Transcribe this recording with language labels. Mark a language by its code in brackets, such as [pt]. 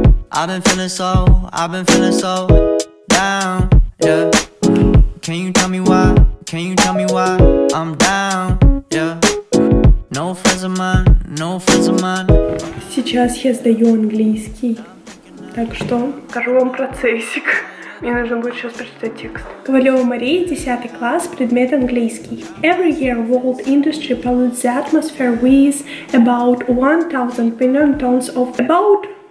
[en] I've been feeling so, I've been feeling so down, yeah. Can you tell me why, can you tell me why I'm down, yeah. No friends of mine, no friends of mine. [ru] Сейчас я сдаю английский, так что скажу вам процессик. Мне нужно будет сейчас прочитать текст. Ковалева Мария, 10 класс, предмет английский. [en] Every year world industry pollutes the atmosphere with about 1,000 million tons of about...